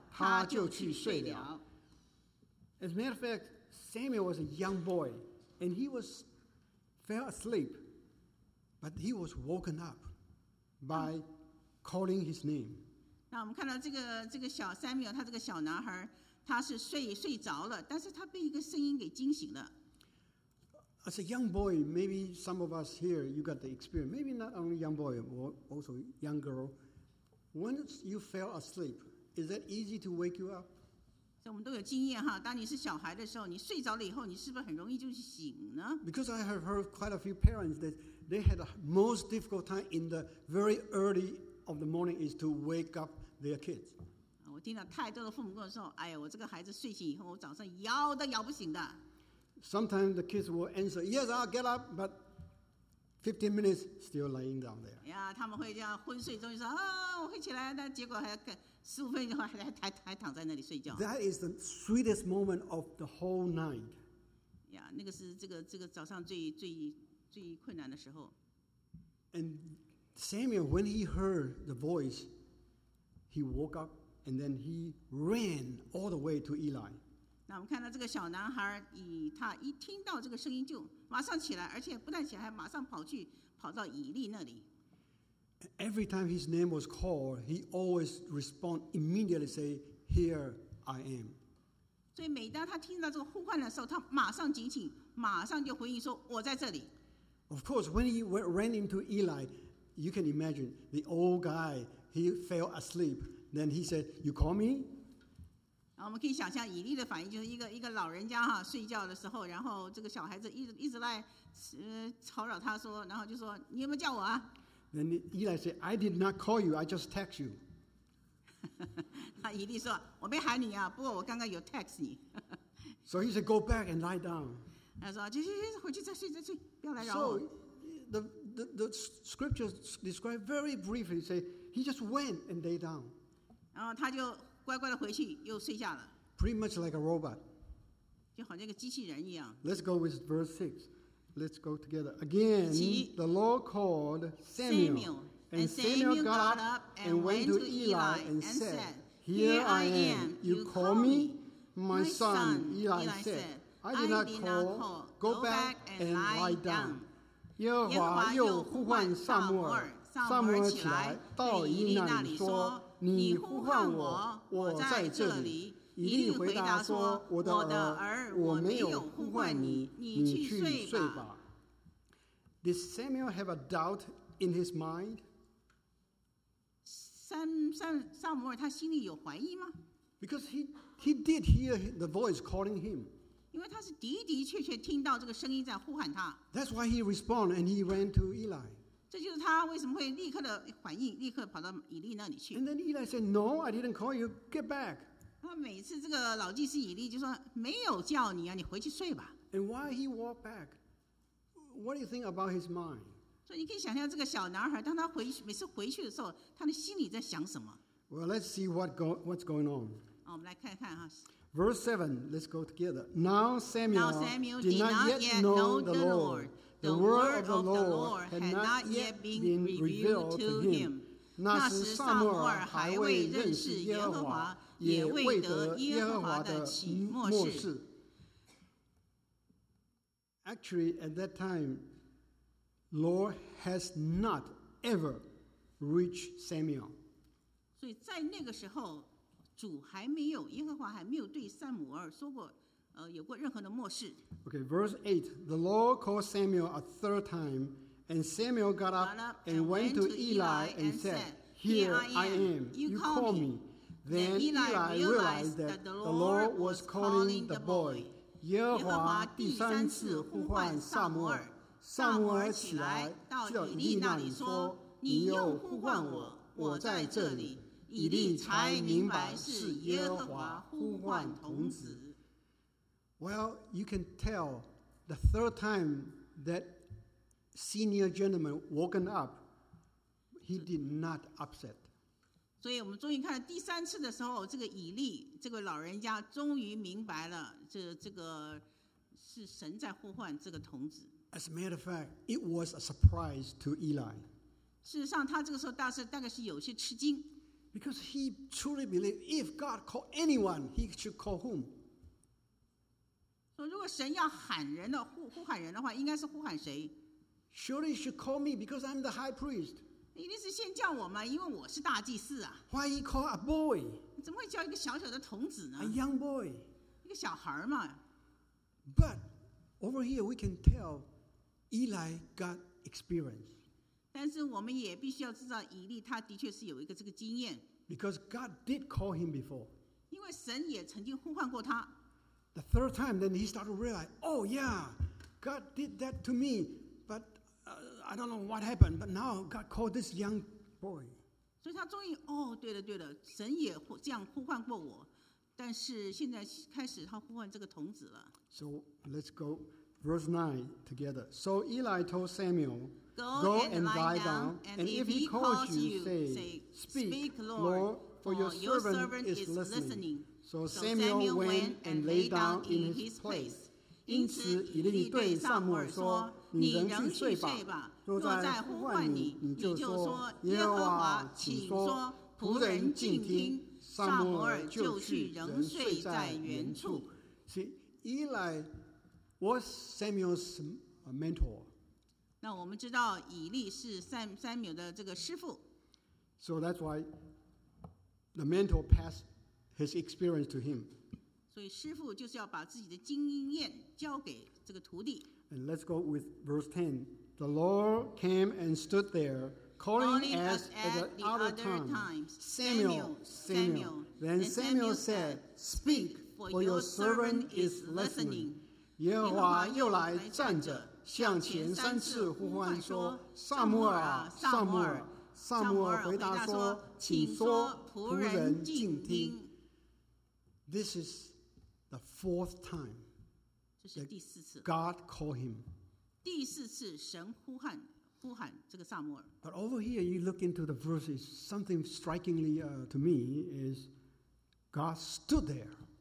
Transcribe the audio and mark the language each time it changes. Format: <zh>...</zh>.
<zh>他就去睡了。</zh> <en>As a matter of fact, Samuel was a young boy, and he was fell asleep, but he was woken up by calling his name.</en> <zh>那我们看到这个小 Samuel, 他这个小男孩，他是睡着了，但是他被一个声音给惊醒了。</zh> <en>As a young boy, maybe some of us here, you got the experience. Maybe not only young boy, but also young girl. Once you fell asleep, is that easy to wake you up?</en> <zh>所以我们都有经验哈，当你是小孩的时候，你睡着了以后，你是不是很容易就醒呢？</zh> <en>Because I have heard quite a few parents that they had the most difficult time in the very early of the morning is to wake up their kids.</en> <zh>我听到太多的父母跟我说，哎呀，我这个孩子睡醒以后，我早上摇都摇不醒的。</zh> <en>Sometimes the kids will answer, "Yes, I'll get up," but 15 minutes still lying down there.</en> <zh>Yeah, 他们会这样昏睡中就说，啊，我会起来，但结果还要15分钟还躺在那里睡觉。</zh> <en>That is the sweetest moment of the whole night.</en> <zh>Yeah, 那个是这个早上最困难的时候。</zh> <en>And Samuel, when he heard the voice, he woke up and then he ran all the way to Eli.</en> <zh>那我们看到这个小男孩，他一听到这个声音就马上起来，而且不但起来，还马上跑到以利那里。</zh> <en>Every time his name was called, he always respond immediately, say, "Here I am."</en> <zh>所以每当他听到这个呼唤的时候，他马上警醒，马上就回应说，我在这里。</zh> <en>Of course, when he ran into Eli, you can imagine the old guy, he fell asleep. Then he said, "You call me?"</en> <zh>我们可以想象以利的反应，就是一个老人家哈睡觉的时候，然后这个小孩子一直来吵扰他说，然后就说你有没有叫我啊？</zh> <en>Then Eli said, "I did not call you. I just text you."</en> <zh>那以利说，我没喊你啊，不过我刚刚有 text 你。</zh> <en>So he said, "Go back and lie down."</en> <zh>他说，去回去再睡，不要来扰我。</zh> <en>So the scriptures describe very briefly. Say he just went and lay down.</en> <zh>然后他就乖乖的回去，又睡下了。</zh> <en>Pretty much like a robot.</en> <zh>就好像个机器人一样。</zh> <en>Let's go with verse 6. Let's go together. Again, the Lord called Samuel. And Samuel got up and went to Eli and said, "Here I am. You call me?" "My son," Eli said, "I did not call. Go back and lie down."</en> <zh>耶和华又呼唤撒母耳，撒母耳起来，到以利那里说，你呼唤我，我在这里。以利回答说，我的儿，我没有呼唤你，你去睡吧。</zh> <en>Did Samuel have a doubt in his mind?</en> <zh>撒母耳他心里有怀疑吗？</zh> <en>Because he did hear the voice calling him.</en> <zh>因为他是的的确确听到这个声音在呼喊他。</zh> <en>That's why he responded and he ran to Eli.</en> <zh>这就是他为什么会立刻的反应，立刻跑到以利那里去。</zh> <en>And then Eli said, "No, I didn't call you. Get back."</en> <zh>他每次这个老祭司以利就说，没有叫你啊，你回去睡吧。</zh> <en>And why he walked back? What do you think about his mind?</en> <zh>所以你可以想象这个小男孩，当他每次回去的时候，他的心里在想什么。</zh> <en>Well, let's see what's going on.</en> <zh>我们来看看哈。</zh> <en>Verse 7, let's go together. Now Samuel did not yet know the Lord. The word of the Lord had not yet been revealed to him.</en> <zh>那时撒母耳还未认识耶和华，也未得耶和华的启默示。</zh> <en>Actually, at that time, Lord has not ever reached Samuel.</en> <zh>所以在那个时候，主还没有，耶和华还没有对撒母耳说过。有过任何的默示。</zh> <en>Okay, verse 8. The Lord called Samuel a third time, and Samuel got up and went to Eli and said, "Here I am. You call me." Then Eli realized that the Lord was calling the boy.</en> <zh>耶和华第三次呼唤撒母耳，撒母耳起来到以利那里说，你又呼唤我，我在这里。以利才明白是耶和华呼唤童子。</zh> <en>Well, you can tell the third time that senior gentleman woken up, he did not upset.</en> <zh>所以我们终于看到第三次的时候，这个以利这个老人家终于明白了，这个是神在呼唤这个童子。</zh> <en>As a matter of fact, it was a surprise to Eli.</en> <zh>事实上，他这个时候大概是有些吃惊。</zh> <en>Because he truly believed if God called anyone, he should call whom?</en> <zh>如果神要喊人的 呼喊人的话，应该是呼喊谁？</zh> <en>Surely you should call me because I'm the high priest.</en> <zh>一定是先叫我嘛，因为我是大祭司啊。</zh> <en>Why he call a boy?</en> <zh>怎么会叫一个小小的童子呢？</zh> <en>A young boy.</en> <zh>一个小孩嘛。</zh> <en>But over here we can tell Eli got experience.</en> <zh>但是我们也必须要知道以利他的确是有一个这个经验。</zh> <en>Because God did call him before.</en> <zh>因为神也曾经呼唤过他。</zh> <en>The third time, then he started to realize, oh yeah, God did that to me, but I don't know what happened, but now God called this young boy.</en> <zh>所以他终于哦，对了对了，神也这样呼唤过我，但是现在开始他呼唤这个童子了。</zh> <en>So let's go verse 9 together. So Eli told Samuel, Go and lie down, and if he calls you, say, Speak, Lord, for your servant is listening. So Samuel went and lay down in his place.</en> <zh>因此以利对撒母耳说，你仍去睡吧，若再呼唤你，你就说，耶和华，请说，仆人静听。撒母耳就去，仍睡在原处。</zh> <en>See, Eli was Samuel's mentor.</en> <zh>那我们知道以利是撒母耳的这个师父。</zh> <en>So that's why the mentor passed his experience to him.</en> <zh>所以师父就是要把自己的经验交给这个徒弟。</zh> <en>And let's go with verse 10. The Lord came and stood there, calling as at the other time, Samuel. Then Samuel said, Speak, for your servant is listening.</en> <zh>耶和华又来站着，向前三次呼唤说：“ 撒母耳，撒母耳。” 撒母耳回答说：“ 请说，仆人静听。”</zh> <en>This is the fourth time.</en> <zh>这是第四次。</zh> <en>God called him.</en> <zh>第四次神呼喊这个撒母耳。</zh> <en>But over here, you look into the verses. Something strikingly to me is God stood there.</en>